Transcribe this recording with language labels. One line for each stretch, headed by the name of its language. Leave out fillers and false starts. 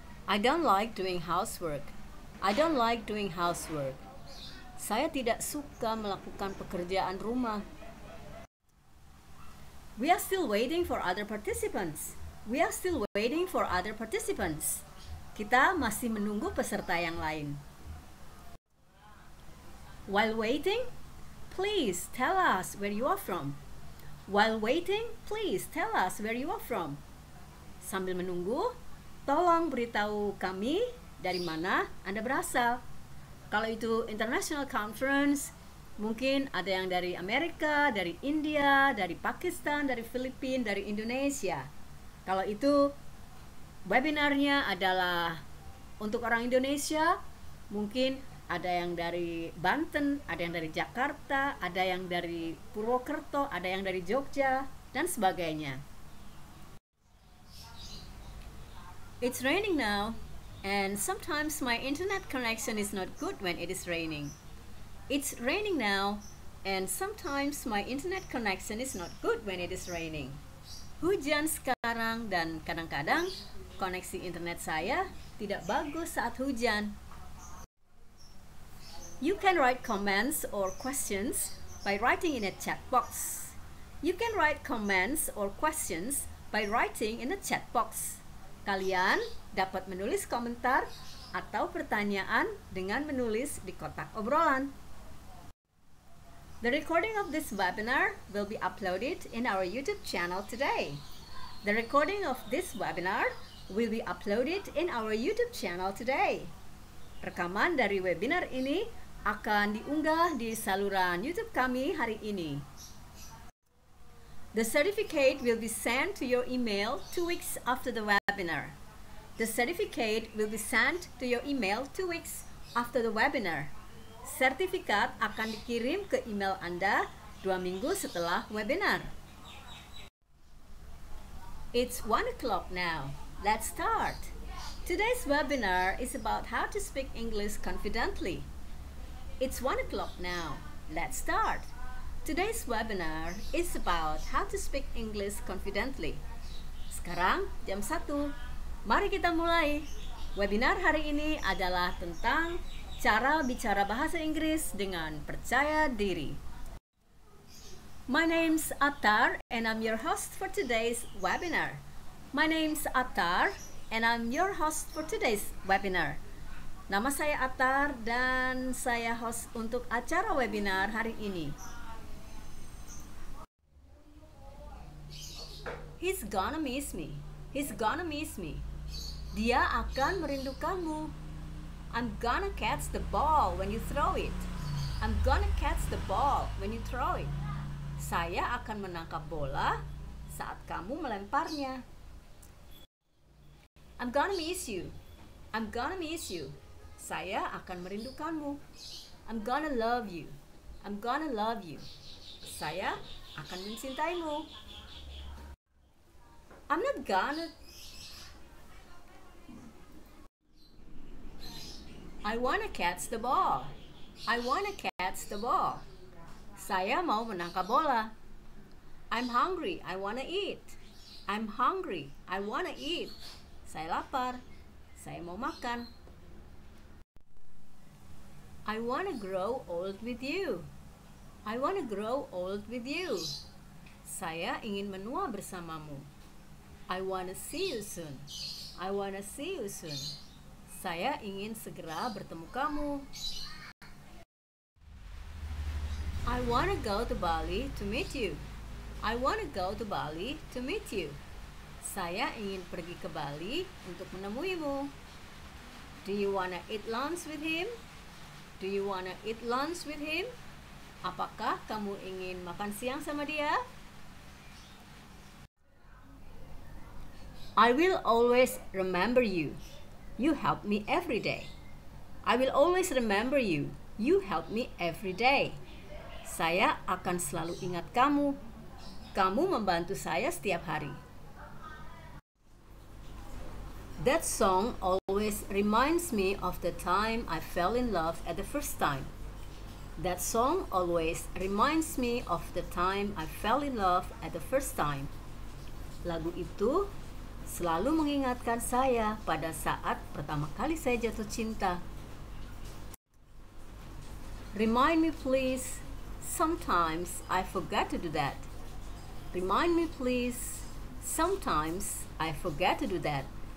English: I don't like doing housework. I don't like doing housework.
Indonesian: Saya tidak suka melakukan pekerjaan rumah.
English: We are still waiting for other participants. We are still waiting for other participants.
Indonesian: Kita masih menunggu peserta yang lain.
English: While waiting, please tell us where you are from. While waiting, please tell us where you are from.
Indonesian: Sambil menunggu, tolong beritahu kami dari mana Anda berasal. Kalau itu
English: international conference,
Indonesian: Mungkin ada yang dari Amerika, dari India, dari Pakistan, dari Filipina, dari Indonesia. Kalau itu webinarnya adalah untuk orang Indonesia, mungkin ada yang dari Banten, ada yang dari Jakarta, ada yang dari Purwokerto, ada yang dari Jogja, dan sebagainya.
English: It's raining now, and sometimes my internet connection is not good when it is raining. It's raining now, and sometimes my internet connection is not good when it is raining.
Indonesian: Hujan sekarang dan kadang-kadang koneksi internet saya tidak bagus saat hujan.
English: You can write comments or questions by writing in a chat box. You can write comments or questions by writing in a chat box.
Indonesian: Kalian dapat menulis komentar atau pertanyaan dengan menulis di kotak obrolan.
English: The recording of this webinar will be uploaded in our YouTube channel today. The recording of this webinar will be uploaded in our YouTube channel today.
Indonesian: Rekaman dari webinar ini akan diunggah di saluran YouTube kami hari ini.
English: The certificate will be sent to your email 2 weeks after the webinar. The certificate will be sent to your email 2 weeks after the webinar.
Indonesian: Sertifikat akan dikirim ke email Anda 2 minggu setelah webinar.
English: It's 1 o'clock now. Let's start. Today's webinar is about how to speak English confidently. It's 1 o'clock now. Let's start. Today's webinar is about how to speak English confidently.
Indonesian: Sekarang jam 1. Mari kita mulai. Webinar hari ini adalah tentang cara bicara bahasa Inggris dengan percaya diri.
English: My name's Attar and I'm your host for today's webinar. My name's Attar and I'm your host for today's webinar.
Indonesian: Nama saya Attar dan saya host untuk acara webinar hari ini.
English: He's gonna miss me. He's gonna miss me.
Indonesian: Dia akan merindukanmu.
English: I'm gonna catch the ball when you throw it. I'm gonna catch the ball when you throw it.
Indonesian: Saya akan menangkap bola saat kamu melemparnya.
English: I'm gonna miss you. I'm gonna miss you.
Indonesian: Saya akan merindukanmu.
English: I'm gonna love you. I'm gonna love you.
Indonesian: Saya akan mencintaimu. I'm not gonna.
English: I wanna catch the ball. I wanna catch the ball.
Indonesian: Saya mau menangkap bola.
English: I'm hungry. I wanna eat. I'm hungry. I wanna eat.
Indonesian: Saya lapar. Saya mau makan.
English: I wanna grow old with you. I wanna grow old with you.
Indonesian: Saya ingin menua bersamamu.
English: I wanna see you soon. I wanna see you soon.
Indonesian: Saya ingin segera bertemu kamu.
English: I wanna go to Bali to meet you. I wanna go to Bali to meet you.
Indonesian: Saya ingin pergi ke Bali untuk menemuimu.
English: Do you wanna eat lunch with him? Do you wanna eat lunch with him?
Indonesian: Apakah kamu ingin makan siang sama dia?
English: I will always remember you. You help me every day. I will always remember you. You help me every day.
Indonesian: Saya akan selalu ingat kamu. Kamu membantu saya setiap hari.
English: That song always reminds me of the time I fell in love at the first time. That song always reminds me of the time I fell in love at the first time.
Indonesian: Lagu itu selalu mengingatkan saya pada saat pertama kali saya jatuh cinta.
English: Remind me please. Sometimes I forget to do that. Remind me please. Sometimes I forget to do that.